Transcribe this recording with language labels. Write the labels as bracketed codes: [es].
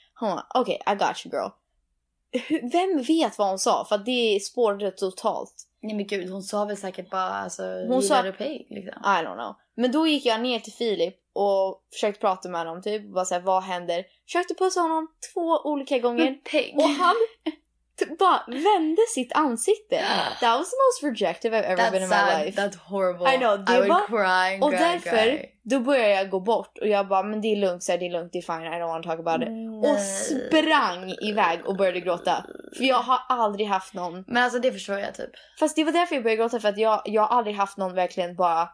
[sv] Hon bara, okej, [en] okay, I got you, girl. [sv] Vem vet vad hon sa? För att det spårade totalt. Nej, men gud, hon sa väl säkert bara, alltså, hon sa, gillar du pig, liksom. [en] I don't know. [sv] Men då gick jag ner till Filip. Och försökte prata med honom typ. Bara såhär, vad händer? Försökte pussa honom 2 olika gånger. Och han bara vände sitt ansikte. [en] That was the most rejective I've ever been in my life. That's horrible. I know. I would cry. [sv] Och därför, då började jag gå bort. Och jag bara, men det är lugnt, såhär, det är lugnt, det är fine. [en] I don't want to talk about it. [sv] Och sprang iväg och började gråta. För jag har aldrig haft någon. Men alltså, det förstår jag typ. Fast det var därför jag började gråta. För att jag har aldrig haft någon verkligen bara...